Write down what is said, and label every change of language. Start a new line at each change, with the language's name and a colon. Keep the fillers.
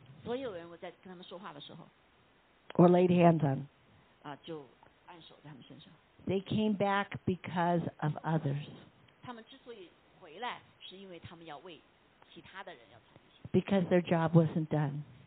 Chinese: 所有人我在跟他们说话的时候
English: ，or laid hands on，
Chinese: 啊，就按手在他们身上。
English: They uh, came back because of others. others。
Chinese: 他们之所以回来，是因为他们要为其他的人要做。
English: Because their job wasn't done.